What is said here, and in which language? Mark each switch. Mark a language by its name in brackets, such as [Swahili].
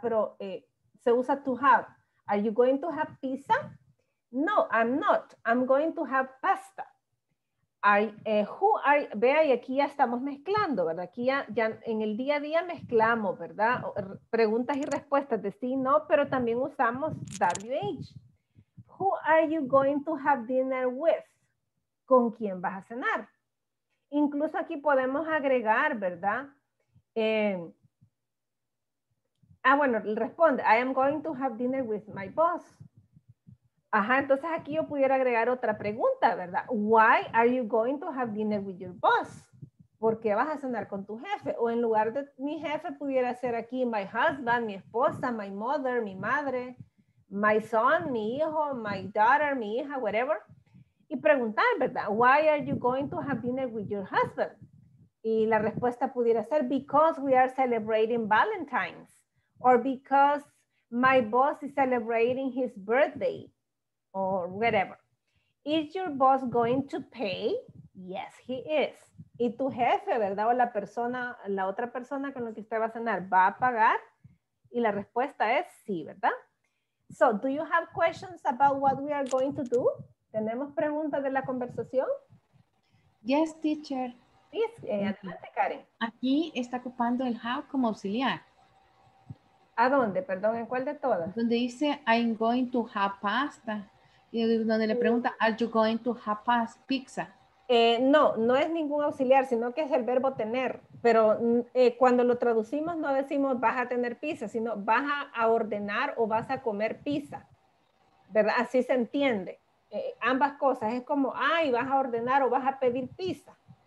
[Spanish] Pero se usa [English] to have. Are you going to have pizza? No, I'm not. I'm going to have pasta. [Spanish] Vea, y aquí ya estamos mezclando, ¿verdad? Aquí ya en el día a día mezclamos, ¿verdad? Preguntas y respuestas de sí, no, pero también usamos WH. [English] Who are you going to have dinner with? [Spanish] ¿Con quién vas a cenar? Incluso aquí podemos agregar, ¿verdad? Bueno, responde, [English] I am going to have dinner with my boss. [Spanish] Ajá, entonces aquí yo pudiera agregar otra pregunta, ¿verdad? [English] Why are you going to have dinner with your boss? [Spanish] ¿Por qué vas a cenar con tu jefe? O en lugar de mi jefe pudiera ser aquí [English] my husband, [Spanish] mi esposa, [English] my mother, [Spanish] mi madre, [English] my son, [Spanish] mi hijo, [English] my daughter, [Spanish] mi hija, whatever. Y preguntar, ¿verdad? [English] Why are you going to have dinner with your husband? [Spanish] Y la respuesta pudiera ser [English] because we are celebrating Valentine's or because my boss is celebrating his birthday. Or whatever. Is your boss going to pay? Yes, he is. [Spanish] ¿Y tu jefe, verdad? O la otra persona con la que usted va a cenar, ¿va a pagar? Y la respuesta es sí, ¿verdad? [English] So, do you have questions about what we are going to do? [Spanish] ¿Tenemos preguntas de la conversación? [English] Yes, teacher. Please, adelante, Karen. [Spanish] Aquí está ocupando el how como auxiliar. ¿A dónde? Perdón, ¿en cuál de todas? Donde dice, [English] I'm going to have pasta. [Spanish] Y donde le pregunta, [English] are you going to have pizza? [Spanish] No es ningún auxiliar, sino que es el verbo tener. Pero cuando lo traducimos no decimos vas a tener pizza, sino vas a ordenar o vas a comer pizza. ¿Verdad? Así se entiende. Ambas cosas. Es como, ay, vas a ordenar o vas a pedir pizza.